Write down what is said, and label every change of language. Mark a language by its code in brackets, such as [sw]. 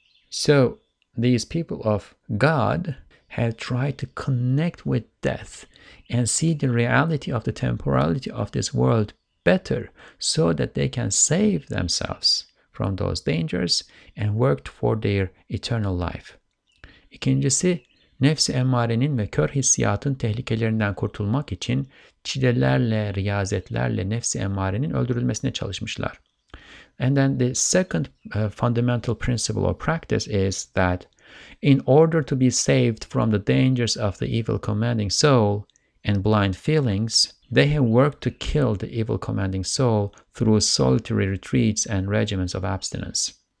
[en] So these people of God have tried to connect with death and see the reality of the temporality of this world better so that they can save themselves from those dangers and worked for their eternal life. [tr] İkincisi, nefs-i emmarenin ve kör hissiyatın tehlikelerinden kurtulmak için çilelerle, riyazetlerle nefs-i emmarenin öldürülmesine çalışmışlar. [en] And then the second fundamental principle or practice is that in order to be saved from the dangers of the evil commanding soul and blind feelings, they have worked to kill the evil commanding soul through solitary retreats and regimens of abstinence.